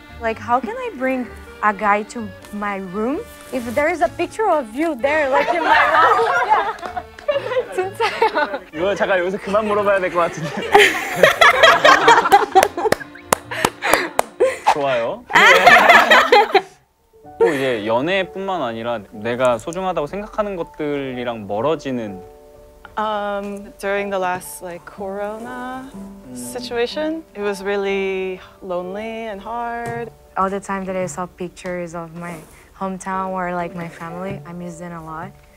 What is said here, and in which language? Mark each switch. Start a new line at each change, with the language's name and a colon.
English: Like how can I bring a guy to my room if there is a picture of you there like in my room?
Korean: 진짜요? 이거 잠깐 여기서 그만 물어봐야 될 것 같은데. 좋아요. 또 이제 연애뿐만 아니라 내가 소중하다고 생각하는 것들이랑 멀어지는.
English: During the last like Corona situation, it was really lonely and hard. All the time that I saw pictures of my hometown or like my family, I miss them a lot.